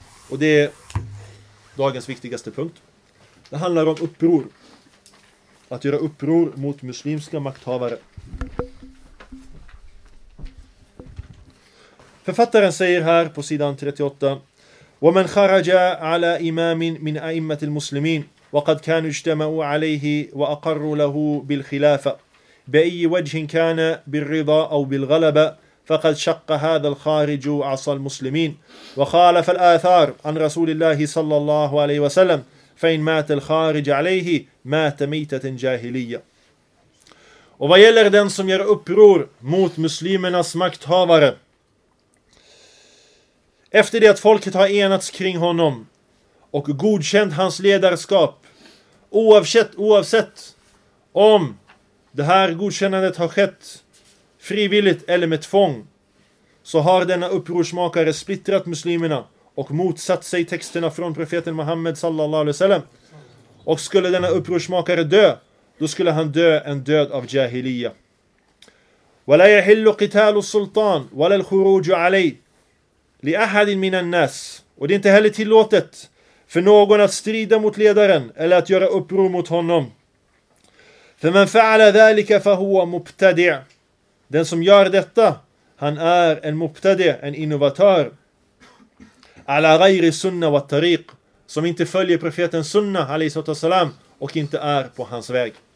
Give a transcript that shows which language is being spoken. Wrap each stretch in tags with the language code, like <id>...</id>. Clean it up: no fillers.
<sv>Och det är dagens viktigaste punkt. Det handlar om uppror. Att göra uppror mot muslimska makthavare. Författaren säger här på sidan 38.</sv> <ar>وَمَنْ خَرَجَ عَلَى إِمَامٍ مِنْ أَئِمَّةِ الْمُسْلِمِينَ وقد كانوا اجتمعوا عليه وأقروا له بالخلافة بأي وجه كان بالرضا أو بالغلبة فقد شق هذا الخارج عصا المسلمين وخالف الآثار عن رسول الله صلى الله عليه وسلم فإن مات الخارج عليه مات ميتة جاهلية.</ar> <sv>Och vad gäller den som gör uppror mot muslimernas makthavare efter det att folket har enats kring honom och godkänt hans ledarskap, Oavsett om det här godkännandet har skett frivilligt eller med tvång, så har denna upprorsmakare splittrat muslimerna och motsatt sig texterna från profeten Muhammed sallallahu alaihi wasallam. Och skulle denna upprorsmakare dö, då skulle han dö en död av jahiliya.</sv> <ar>ولا يحل قتال السلطان ولا الخروج عليه لأحد من الناس.</ar> <sv>Och det är inte heller tillåtet för någon att strida mot ledaren eller att göra uppror mot honom. För</sv> <ar>man fa'ala dhalika fahuwa mubtadi'.</ar> <sv>Den som gör detta, han är en mubtadi', en innovatör.</sv> <ar>Ala ghayri sunna wa tariq,</ar> <sv>som inte följer profeten sunna alayhi salatu wasalam och inte är på hans väg.</sv>